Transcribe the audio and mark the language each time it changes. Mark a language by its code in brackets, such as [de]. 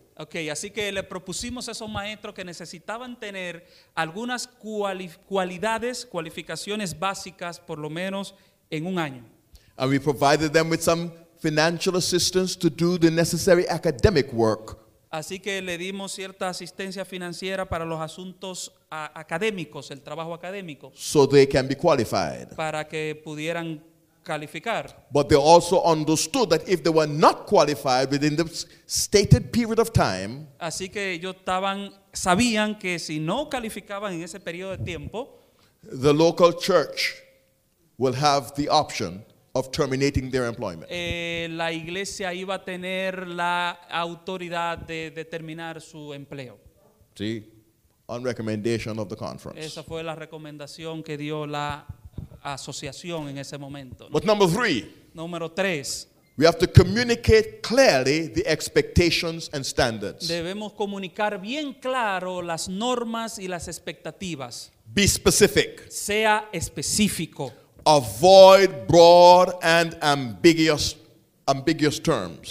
[es] Okay, así que le propusimos a esos maestros que necesitaban tener algunas cualificaciones básicas por lo menos en un año. [en] And we provided them with some financial assistance to do the necessary academic work. [es] Así que le dimos cierta asistencia financiera para los asuntos académicos, el trabajo académico. [en] So they can be qualified. [es] Para que pudieran calificar. [en] But they also understood that if they were not qualified within the stated period of time, [es] así que ellos sabían que si no calificaban en ese periodo de tiempo, [en] the local church will have the option of terminating their employment. [es] La iglesia iba a tener la autoridad de terminar su empleo. [en] Sí, on recommendation of the conference. [es] Esa fue la recomendación que dio la asociación en ese momento. [en] But number three. [es] Número tres. [en] We have to communicate clearly the expectations and standards. [es] Debemos comunicar bien claro las normas y las expectativas. [en] Be specific. [es] Sea específico. [en] Avoid broad and ambiguous terms.